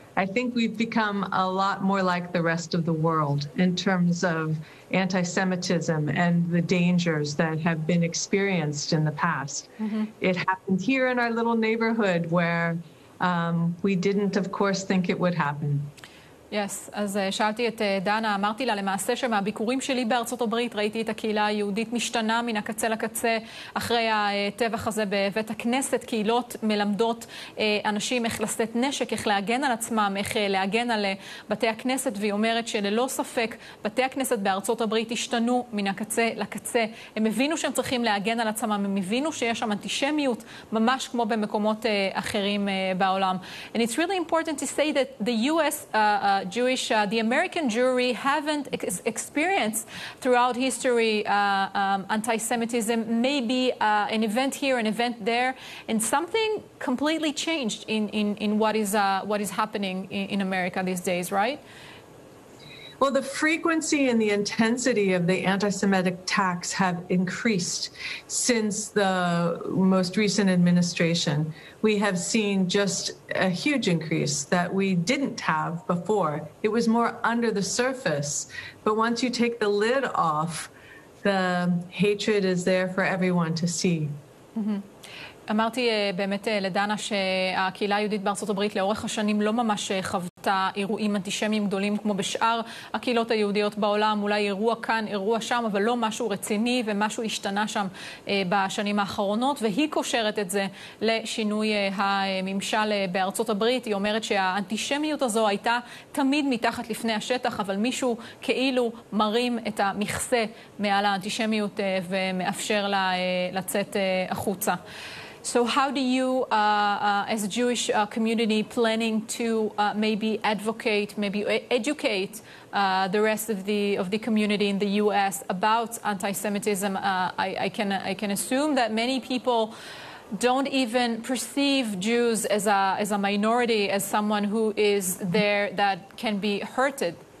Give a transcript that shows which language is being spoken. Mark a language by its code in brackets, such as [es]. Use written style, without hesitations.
[en] I think we've become a lot more like the rest of the world in terms of anti-Semitism and the dangers that have been experienced in the past. Mm-hmm. It happened here in our little neighborhood where we didn't, of course, think it would happen. Yes, [he] אז שאלתי את דנה, אמרתי לה למעשה שמהביקורים שלי בארצות הברית ראיתי את הקהילה היהודית משתנה מן הקצה לקצה אחרי הטבח הזה בבית הכנסת. קהילות מלמדות אנשים איך לשאת נשק, איך להגן על עצמם, איך להגן על בתי הכנסת, והיא אומרת שללא ספק בתי הכנסת בארצות הברית השתנו מן הקצה לקצה. הם הבינו שהם צריכים להגן על עצמם, הם הבינו שיש שם אנטישמיות ממש כמו במקומות אחרים בעולם. [en] And it's really important to say that the U.S. Jewish, the American Jewry haven't experienced throughout history anti-Semitism, maybe an event here, an event there, and something completely changed in what is happening in America these days, right? Well, the frequency and the intensity of the anti-Semitic attacks have increased since the most recent administration. We have seen just a huge increase that we didn't have before. It was more under the surface. But once you take the lid off, the hatred is there for everyone to see. Mm-hmm. [he] אמרתי באמת לדנה שהקהילה היהודית בארצות הברית לאורך השנים לא ממש חוותה אירועים אנטישמיים גדולים כמו בשאר הקהילות היהודיות בעולם, אולי אירוע כאן, אירוע שם, אבל לא משהו רציני ומשהו השתנה שם בשנים האחרונות, והיא קושרת את זה לשינוי הממשל בארצות הברית. היא אומרת שהאנטישמיות הזו הייתה תמיד מתחת לפני השטח, אבל מישהו כאילו מרים את המכסה מעל האנטישמיות ומאפשר לה לצאת החוצה. [en] So how do you, as a Jewish community, planning to maybe advocate, maybe educate the rest of the community in the U.S. about anti-Semitism? I can assume that many people don't even perceive Jews as a minority, as someone who is there that can be hurted.